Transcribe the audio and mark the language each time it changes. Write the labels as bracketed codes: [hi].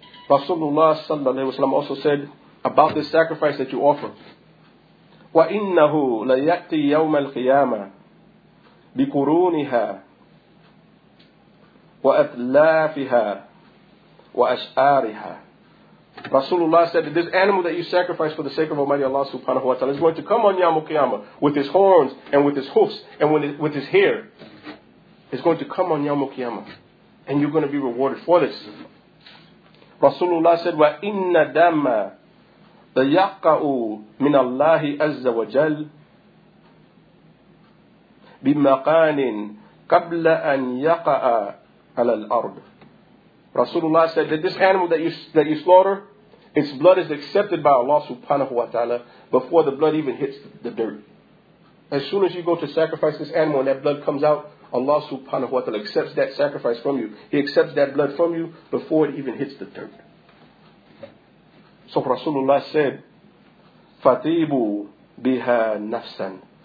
[en] Rasulullah sallallahu alayhi wa sallam also said about this sacrifice that you offer, [ar] وَإِنَّهُ لَيَأْتِي يَوْمَ الْقِيَامَةِ بِقُرُونِهَا وَأَتْلَافِهَا وَأَشْعَارِهَا. [en] Rasulullah said that this animal that you sacrifice for the sake of Almighty Allah subhanahu wa ta'ala is going to come on Yawm al-Qiyamah with his horns and with his hoofs and with his hair. It's going to come on Yawm al-Qiyamah, and you're going to be rewarded for this. Rasulullah said, [ar] وَإِنَّ دَمَّا لَيَقَعُ مِنَ اللَّهِ عَزَّ وَجَلْ بِمَقَانٍ قَبْلَ أَنْ يَقَعَ عَلَى الْأَرْضِ. [en] Rasulullah said that this animal that you slaughter, its blood is accepted by Allah subhanahu wa ta'ala before the blood even hits the dirt. As soon as you go to sacrifice this animal and that blood comes out, Allah subhanahu wa ta'ala accepts that sacrifice from you. He accepts that blood from you before it even hits the dirt. So Rasulullah said, [ar] فَطِيبُ بِهَا نَفْسًا.